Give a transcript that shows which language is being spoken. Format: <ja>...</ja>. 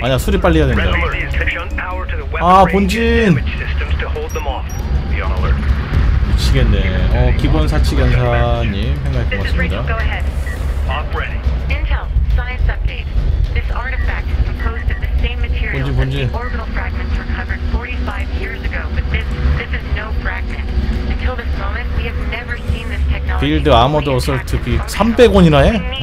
<ko>아니야, 수리 빨리 해야 된다. 아, 본진. 미치겠네. 어, 기본 사치 견사님, 생각 고맙습니다.</ko> <en>Intel, science update. This artifact is composed of the same material.</en> <ko>본진.</ko> <en>Orbital fragments recovered 45 years ago, but this is no fragment. Until this moment, we have never seen this.</en> <ko>빌드 아머드 어설트 비 300원이나 해?</ko>